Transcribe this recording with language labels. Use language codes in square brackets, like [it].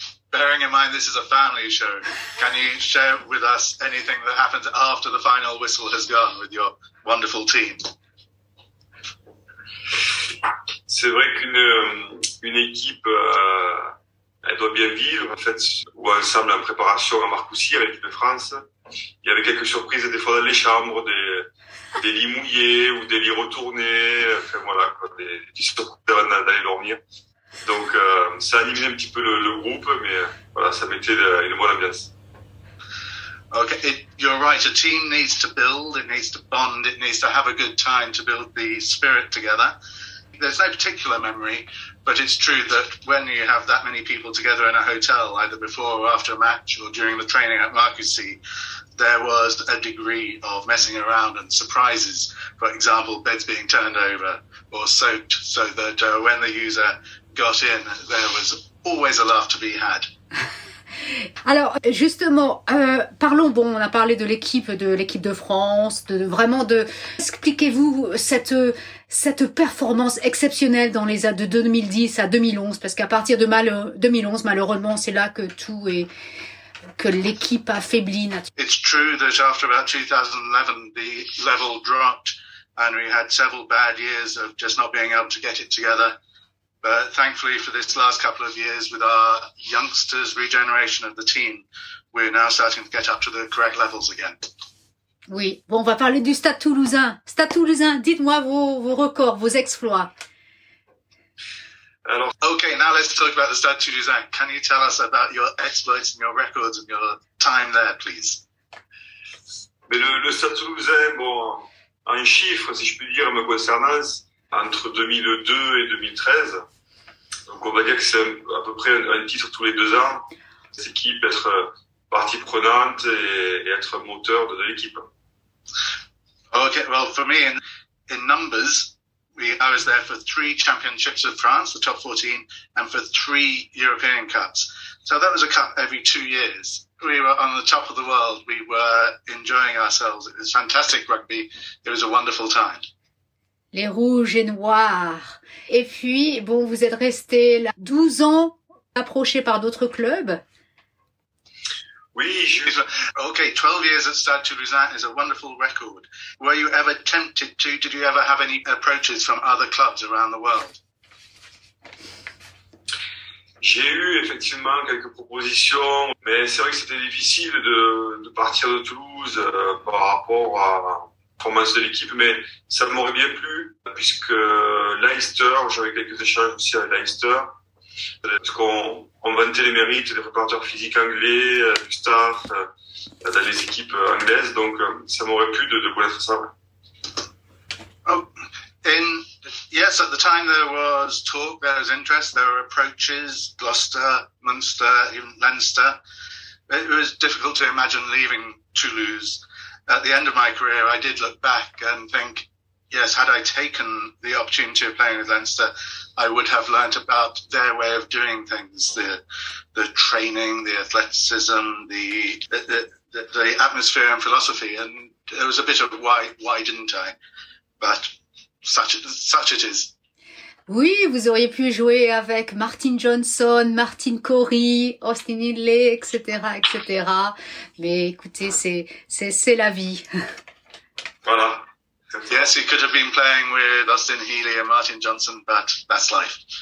[en] Bearing in mind this is a family show, can you share with us anything that happens after the final whistle has gone with your wonderful team? [fr] C'est vrai qu'une équipe, elle doit bien vivre, en fait, ou ensemble en préparation à Marcoussis, à l'équipe de France. Il y avait quelques surprises des fois dans les chambres, des lits mouillés ou des lits retournés, enfin voilà, quoi, des surprises avant d'aller dormir. Donc, ça animait un petit peu le groupe, mais voilà, ça mettait une bonne ambiance. [en] Okay, you're right. A team needs to build, it needs to bond, it needs to have a good time to build the spirit together. There's no particular memory, but it's true that when you have that many people together in a hotel, either before or after a match or during the training at Marcoussis, there was a degree of messing around and surprises. For example, beds being turned over or soaked so that when the user got in, there was always a laugh to be had. [fr] Alors, justement, parlons, bon, on a parlé de l'équipe de France, de vraiment de... Expliquez-vous cette performance exceptionnelle dans les années de 2010 à 2011, parce qu'à partir de 2011, malheureusement, c'est là que tout est... que l'équipe a faibli. [en] It's true that after about 2011, the level dropped, and we had several bad years of just not being able to get it together. But thankfully, for this last couple of years, with our youngsters' regeneration of the team, we're now starting to get up to the correct levels again. [fr] Oui. Bon, on va parler du Stade Toulousain. Stade Toulousain, dites-moi vos records, vos exploits. [en] Alors, okay, now let's talk about the Stade Toulousain. Can you tell us about your exploits and your records and your time there, please? [fr] Mais le Stade Toulousain, bon, en chiffres, si je puis dire, me concernant. Entre 2002 et 2013. Donc, on va dire que c'est à peu près un titre tous les deux ans. C'est qui peut être partie prenante et être moteur de l'équipe. [en] Okay, well, for me, in numbers, I was there for three championships of France, the top 14, and for three European Cups. So that was a cup every 2 years. We were on the top of the world. We were enjoying ourselves. It was fantastic rugby. It was a wonderful time. [fr] Les rouges et noirs. Et puis, bon, vous êtes resté 12 ans approché par d'autres clubs. [en] Oui, okay, 12 years at Stade Toulousain is a wonderful record. Were you ever tempted to, did you ever have any approaches from other clubs around the world? [fr] J'ai eu effectivement quelques propositions, mais c'est vrai que c'était difficile de partir de Toulouse par rapport à formation de l'équipe, mais ça m'aurait bien plu, puisque Leicester, j'avais quelques échanges aussi avec Leicester, parce qu'on vantait les mérites des préparateurs physiques anglais, du staff, dans les équipes anglaises, donc ça m'aurait plu de connaître ça. [en] Yes, at the time there was talk, there was interest, there were approaches, Gloucester, Munster, even Leinster. It was difficult to imagine leaving Toulouse. At the end of my career, I did look back and think, yes, had I taken the opportunity of playing with Leinster, I would have learnt about their way of doing things, the training, the athleticism, the atmosphere and philosophy. And it was a bit of why didn't I? But such it is. [fr] Oui, vous auriez pu jouer avec Martin Johnson, Martin Corey, Austin Hindley, etc., etc. Mais écoutez, c'est la vie. Voilà. [en] Yes, you could have been playing with Austin Healy and Martin Johnson, but that's life.